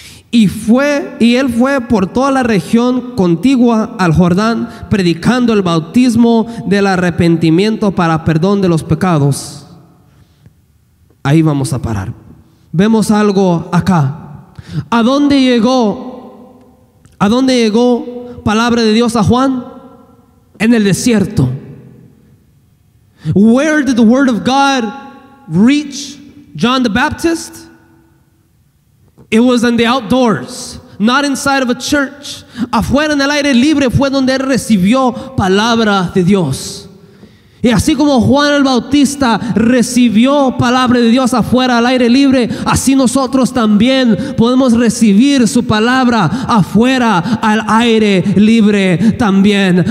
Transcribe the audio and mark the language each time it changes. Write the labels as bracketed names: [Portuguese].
[Spanish] Y él fue por toda la región contigua al Jordán, predicando el bautismo del arrepentimiento para perdón de los pecados. Ahí vamos a parar. Vemos algo acá. ¿A dónde llegó palabra de Dios a Juan? En el desierto. [English] Where did the word of God reach John the Baptist? It was in the outdoors, not inside of a church. [Spanish] Afuera en el aire libre fue donde él recibió palabra de Dios. Y así como Juan el Bautista recibió palabra de Dios afuera al aire libre, así nosotros también podemos recibir su palabra afuera al aire libre también.